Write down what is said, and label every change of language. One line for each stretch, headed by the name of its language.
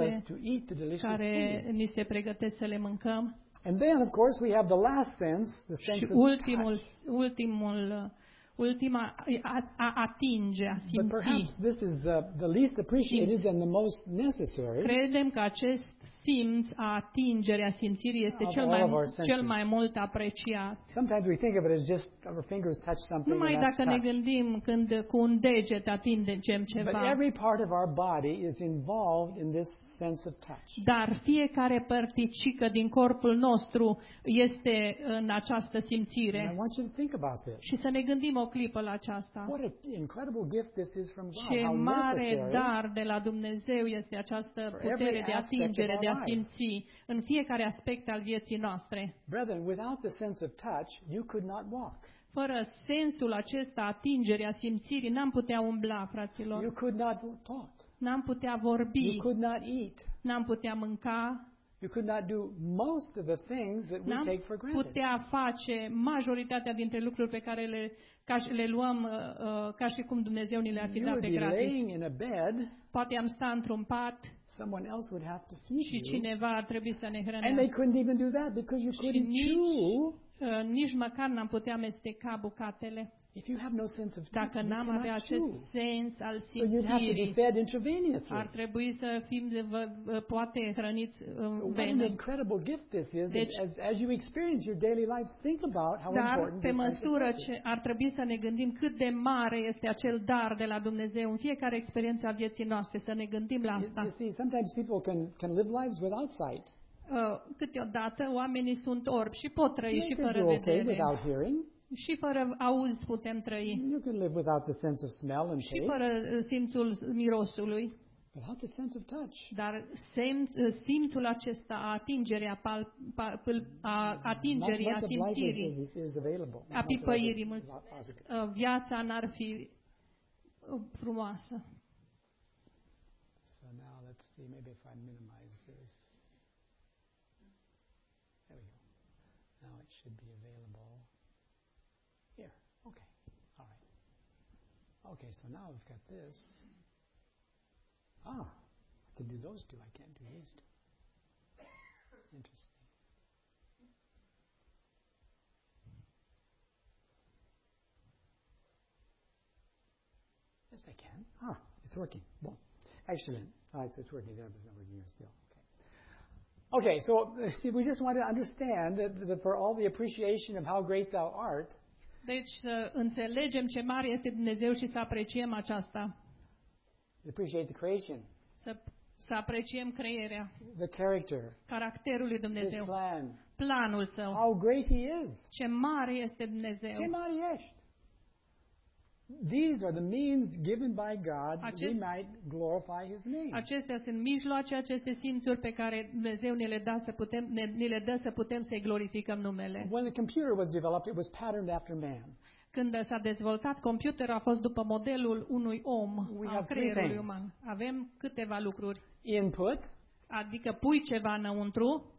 English: To eat the delicious food.
Romanian: Care ni se pregătesc să le mâncăm.
English: And then of course we have the last sense, the sense of touch.
Romanian: Ultima a atinge, a simți.
English: But perhaps this is the least appreciated and the most necessary.
Romanian: Credem că acest simț, a atingere, a simțirii este cel mai mult apreciat.
English: Sometimes we think of it as just our fingers touch something.
Romanian: Numai
English: and
Romanian: dacă
English: touch.
Romanian: Ne gândim când cu un deget atingem ceva.
English: But every part of our body is involved in this sense of touch.
Romanian: Dar fiecare părticică din corpul nostru este în această simțire.
English: And I want you to think about this.
Romanian: Și să ne gândim o clipă la aceasta.
English: What an incredible gift this is from God.
Romanian: Ce mare dar de la Dumnezeu este această putere de atingere, de a simți în fiecare aspect al vieții noastre.
English: Brethren, without the sense of touch, you could not walk.
Romanian: Fără sensul acesta, atingerea, simțirii, n-am putea umbla, fraților.
English: You could not talk.
Romanian: N-am putea vorbi.
English: You could not eat.
Romanian: N-am putea mânca.
English: You could not do most of the things that we take for granted.
Romanian: Putea face majoritatea dintre lucruri pe care le luăm ca și cum Dumnezeu ni le-ar fi dat pe gratis.
English: Laying in a bed.
Romanian: Poate am sta într-un pat.
English: Someone else would have to feed
Romanian: și cineva ar trebui să ne hrănească.
English: And they couldn't even do that because you couldn't chew.
Romanian: Nici măcar n-am putea amesteca bucatele.
English: If you have no sense of taste,
Romanian: dacă n-am avea acest sens al simțirii,
English: so you'd have to be fed intravenously.
Romanian: Ar trebui să fim poate hrăniți în venă.
English: What an incredible gift this is.
Romanian: Deci,
English: as you experience your daily life, think about how important this is.
Romanian: Dar pe măsură ce ar trebui să ne gândim cât de mare este acel dar de la Dumnezeu în fiecare experiență a vieții noastre, să ne gândim la asta.
English: You see, sometimes people can live lives without sight.
Romanian: Câteodată oamenii sunt orbi și pot trăi și fără vedere. Și fără auz putem trăi.
English: You can live without the sense of smell and taste.
Romanian: Și fără simțul mirosului.
English: Without the sense of touch.
Romanian: Dar simțul acesta a atingerii, a simțirii, a pipăirii, viața n-ar fi frumoasă.
English: So now let's see, maybe if I minimize this. There we go. Now it should be available. Here. Okay. All right. Okay, so now we've got this. Ah, I can do those two. I can't do these two. Interesting. Yes, I can. Ah, it's working. Well, excellent. All right, so it's working there, but it's not working here still. Okay, so we just want to understand that for all the appreciation of how great thou art.
Romanian: Deci să înțelegem ce mare este Dumnezeu și să apreciem aceasta.
English: Appreciate the creation.
Romanian: Să apreciem creerea.
English: The character.
Romanian: Caracterul lui Dumnezeu.
English: His plan.
Romanian: Planul său.
English: How great he is.
Romanian: Ce mare este Dumnezeu. Ce mare ești.
English: These are the means given by God that we might glorify His name.
Romanian: Acestea sunt mijloace, aceste simțuri pe care Dumnezeu ne le dă să putem să-i glorificăm numele.
English: When the computer was developed, it was patterned after man.
Romanian: Când s-a dezvoltat computerul, a fost după modelul unui om, al creierului uman. Avem câteva lucruri.
English: Input.
Romanian: Adică pui ceva înăuntru.